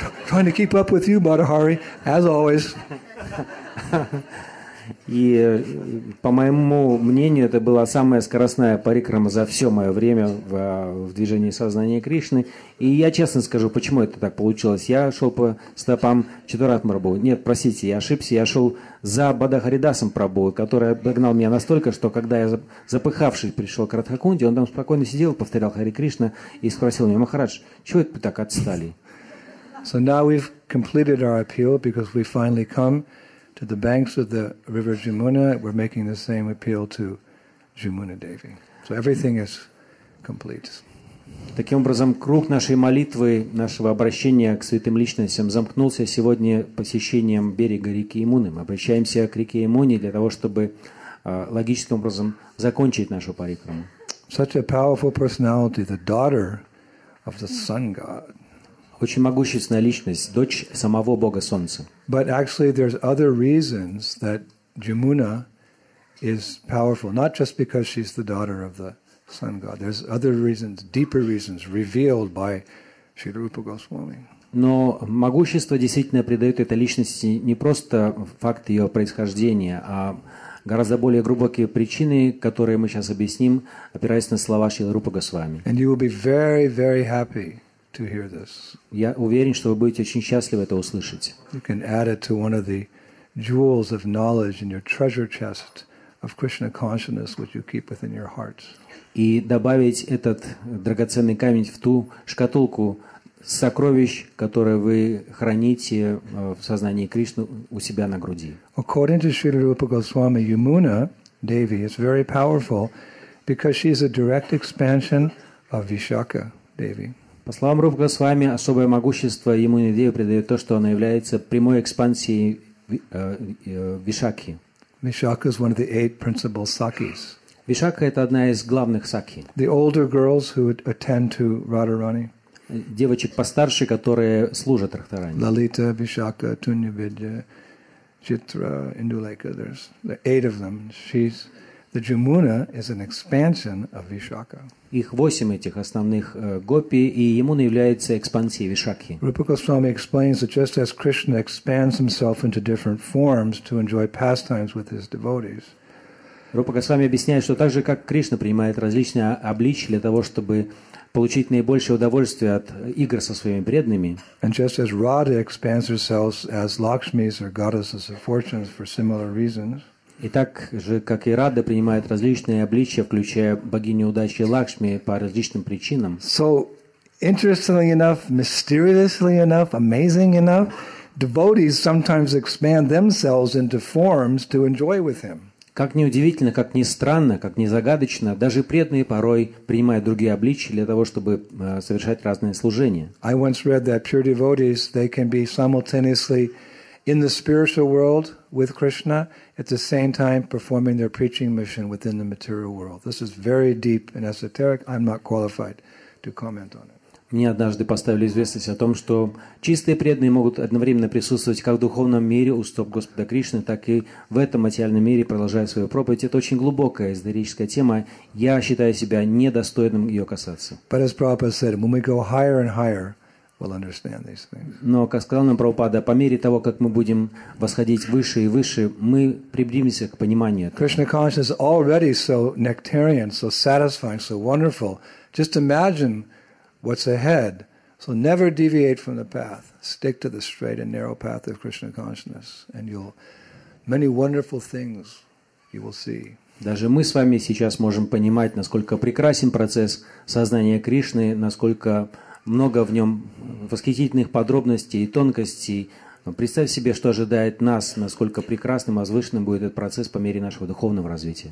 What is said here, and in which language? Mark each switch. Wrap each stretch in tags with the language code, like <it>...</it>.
<en>Trying to keep up with you, Buddhahari, as always.</en> <ru>И по моему мнению, это была самая скоростная парикрама за все мое время в движении сознания Кришны. И я честно скажу, почему это так получилось. Я шел по стопам Чатурат Прабху. Нет, простите, я ошибся. Я шел за Бадахаридасом Прабху, который обогнал меня настолько, что когда я запыхавшись пришел к Радхакунде, он там спокойно сидел, повторял Хари Кришна и спросил меня: «Махарадж, чего это вы так отстали?»</ru> <en>So now we've completed our appeal because we finally come to the banks of the river Jamuna. We're making the same appeal to Jamuna Devi. So everything is complete.</en> <ru>Таким образом, круг нашей молитвы, нашего обращения к святым личностям замкнулся сегодня посещением берега реки Ямуны. Мы обращаемся к реке Ямуне для того, чтобы логическим образом закончить нашу парикраму.</ru> <en>Such a powerful personality, the daughter of the sun god.</en> <ru>Очень могущественная личность, дочь самого Бога Солнца.</ru> <en>But actually, there's other reasons that Jamuna is powerful, not just because she's the daughter of the sun god. There's other reasons, deeper reasons, revealed by Śrīla Rūpa Gosvāmī.</en> <ru>Но могущество действительно придает этой личности не просто факт ее происхождения, а гораздо более глубокие причины, которые мы сейчас объясним, опираясь на слова Śrīla Rūpa Gosvāmī.</ru> <en>And you will be very, very happy to hear this.</en> <ru>Я уверен, что вы будете очень счастливы это услышать.</ru> <en>You can add it to one of the jewels of knowledge in your treasure chest of Krishna consciousness, which you keep within your heart.</en> <ru>И добавить этот драгоценный камень в ту шкатулку сокровищ, которые вы храните в сознании Кришны у себя на груди.</ru> <en>According to Śrīla Rūpa Gosvāmī, Yamuna Devi is very powerful because she is a direct expansion of Vishakha Devi.</en> <ru>По словам Рупы Госвами, особое могущество Ямуне Деви придает то, что она является прямой экспансией Вишакхи.</ru> <en>Vishakha is one of the eight principal sakhis.</en> <ru>Vishakha — это одна из главных сакхи.</ru> <en>The older girls who attend to Radharani.</en> <ru>Девочек постарше, которые служат Радхарани.</ru> <en>Lalita, Vishakha, Tunyavidya, Chitra, Induleka. There's the eight of them. She's the Jamuna is an expansion of Vishakha.</en> <ru>Их восемь этих основных гопи, и Ямуна является экспансией Вишакхи.</ru> <en>Rupa Goswami explains that just as Krishna expands himself into different forms to enjoy pastimes with his devotees.</en> <ru>Rupa Goswami объясняет, что так же, как Кришна принимает различные обличья для того, чтобы получить наибольшее удовольствие от игр со своими преданными.</ru> <en>And just as Radha expands herself as Lakshmis or goddesses of fortunes for similar reasons.</en> <ru>И так же, как и Рада принимает различные обличья, включая богиню удачи Лакшми, по различным причинам.</ru> <en>So, interestingly enough, mysteriously enough, amazing enough, devotees sometimes expand themselves into forms to enjoy with him.</en> <ru>Как ни удивительно, как ни странно, как ни загадочно, даже преданные порой принимают другие обличья для того, чтобы совершать разные служения.</ru> <en>I once read that pure devotees, they can be simultaneously in the spiritual world with Krishna, at the same time performing their preaching mission within the material world. This is very deep and esoteric. I'm not qualified to comment on it.</en> <ru>Мне однажды поставили известность о том, что чистые преданные могут одновременно присутствовать как в духовном мире у стоп Господа Кришны, так и в этом материальном мире, продолжая свою проповедь. Это очень глубокая эзотерическая тема. Я считаю себя недостойным ее касаться.</ru> <en>But as Prabhupada said, when we go higher and higher, we'll understand these things.</en> <ru>Но, как сказал нам Прабхупада, по мере того, как мы будем восходить выше и выше, мы приблизимся к пониманию этого.</ru> <en>Krishna consciousness is already so nectarian, so satisfying, so wonderful. Just imagine what's ahead. So never deviate from the path. Stick to the straight and narrow path of Krishna consciousness, and you'll many wonderful things you will see.</en> <ru>Даже мы с вами сейчас можем понимать, насколько прекрасен процесс сознания Кришны, насколько много в нем восхитительных подробностей и тонкостей. Представь себе, что ожидает нас, насколько прекрасным, возвышенным будет этот процесс по мере нашего духовного развития.</ru>